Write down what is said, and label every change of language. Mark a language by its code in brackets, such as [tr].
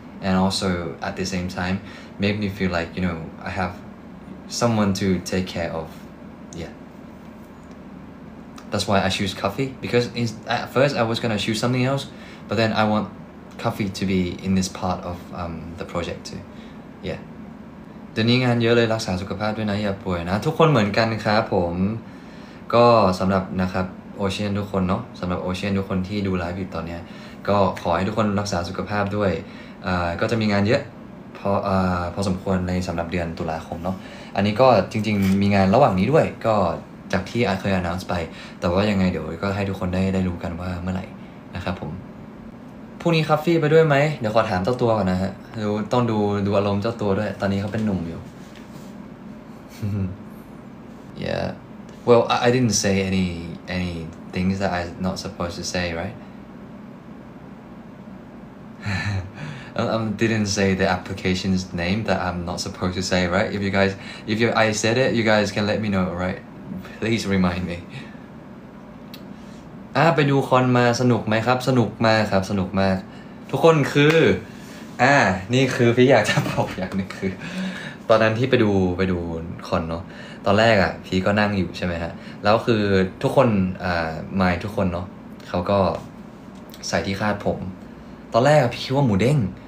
[en] And also at the same time, made me feel like, you know, I have someone to take care of. Yeah. That's why I choose Cuffy, because at first I was going to choose something else, but then I want Cuffy to be in this part of the project too. Yeah. [th] ตอนนี้งานเยอะเลยรักษาสุขภาพด้วยนะอย่าป่วยนะทุกคนเหมือนกันครับผมก็สำหรับนะครับโอเชียนทุกคนเนาะสำหรับโอเชียนทุกคนที่ดูไลฟ์อยู่ตอนนี้ก็ขอให้ทุกคนรักษาสุขภาพด้วยก็จะมีงานเยอะ พอสมควรในสำหรับเดือนตุลาคมเนาะอันนี้ก็จริงๆมีงานระหว่างนี้ด้วยก็จากที่เคย announce ไปแต่ว่ายังไงเดี๋ยวก็ให้ทุกคนได้รู้กันว่าเมื่อไหร่นะครับผมพรุ่งนี้คัฟฟี่ไปด้วยไหมเดี๋ยวขอถามเจ้าตัวก่อนนะฮะดูต้องดูอารมณ์เจ้าตัวด้วยตอนนี้เขาเป็นหนุ่มอยู่ [en] Yeah well I didn't say any things that I'm not supposed to say right didn't say the application's name that I'm not supposed to say, right? If I said it, you guys can let me know, right? Please remind me. [th] ไปดูคอนมาสนุกไหมครับสนุกมากครับสนุกมากทุกคนคือนี่คือพี่อยากจะบอกอย่างนึงคือตอนนั้นที่ไปดูคอนเนาะตอนแรกอ่ะพี่ก็นั่งอยู่ใช่ไหมฮะแล้วคือทุกคนไมค์ทุกคนเนาะเขาก็ใส่ที่คาดผมตอนแรกพี่คิดว่าหมูเด้ง